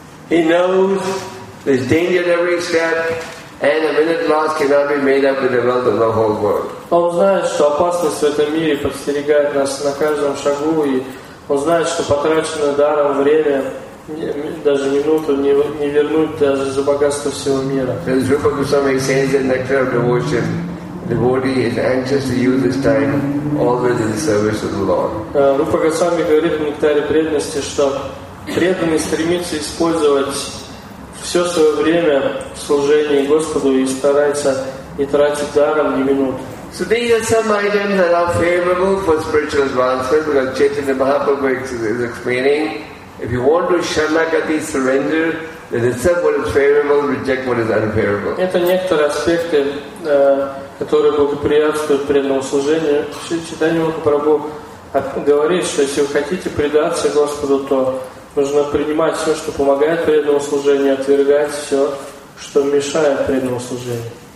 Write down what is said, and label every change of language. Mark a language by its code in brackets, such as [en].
[en] He knows there's danger at every step, and a minute loss cannot be made up with the wealth of the whole world. [ru] Он знает, что опасность в этом мире подстерегает нас на каждом шагу, и он знает, что потраченное даром время, даже минуту, не вернуть даже за богатство всего мира. [en] As Rupa Goswami says in Nectar of Devotion, devotee is anxious to use his time always in the service of the Lord. [ru] Rupa Goswami говорит в Нектаре преданности, что преданный стремится использовать все свое время в служении Господу и старается не тратить даром ни минуты. [en] So these are some items that are favorable for spiritual advancement, because Chaitanya Mahaprabhu is explaining, if you want to Sharanagati surrender, then accept what is favorable, reject what is unfavorable. [ru] Это некоторые аспекты, которые благоприятствуют преданному служению. Чайтанья Махапрабху говорит, что если вы хотите предаться Господу, то нужно принимать все, что помогает преданному служению, отвергать все, что мешает преданному служению.